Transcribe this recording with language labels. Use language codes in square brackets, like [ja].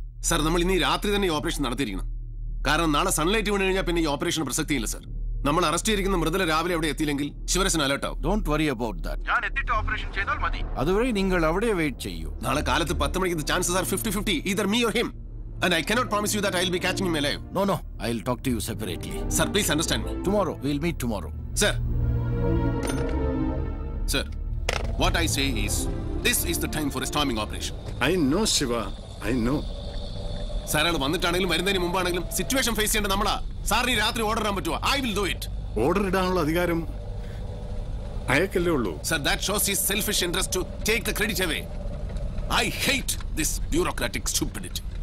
[ml] Sir, നമ്മൾ ഇന്ന് രാത്രി തന്നെ ഈ ഓപ്പറേഷൻ നടത്തിയിരിക്കണം. കാരണം നാളെ സൺലൈറ്റ് വീണ് കഴിഞ്ഞാൽ പിന്നെ ഈ ഓപ്പറേഷൻ പ്രസക്തിയില്ല സർ. നമ്മൾ അറസ്റ്റ് ചെയ്തിരിക്കുന്ന മൃതല രാവിലെ അവിടെ എത്തിയില്ലെങ്കിൽ ശിവരസൻ അലർട്ട് ആവും. [en] Don't worry about that. [ml] ഞാൻ എത്തിയിട്ട് ഓപ്പറേഷൻ ചെയ്താൽ മതി. അതുവരെ നിങ്ങൾ അവിടെ വെയിറ്റ് ചെയ്യൂ. നാളെ കാലത്ത് 10 മണിക്ക് [en] The chances are 50-50 either me or him. And I cannot promise you that I'll be catching him alive. No, no. I'll talk to you separately. Sir, please understand me. Tomorrow. We'll meet tomorrow. Sir. Sir. What I say is, this is the time for a storming operation. I know, Shiva. I know. [ml] Sir അത് വന്നിട്ടാണെങ്കിലും വരുന്നതിന് മുമ്പാണെങ്കിലും situation face ചെയ്യേണ്ട നമ്മളാ. Sir ഈ രാത്രി order ഇടാൻ പറ്റുമോ? [en] I will do it. [ml] Order ഇടാനുള്ള അധികാരം അയക്കല്ലേ ഉള്ളൂ. [en] Sir, that shows his selfish interest to take the credit away. I hate this bureaucratic stupidity.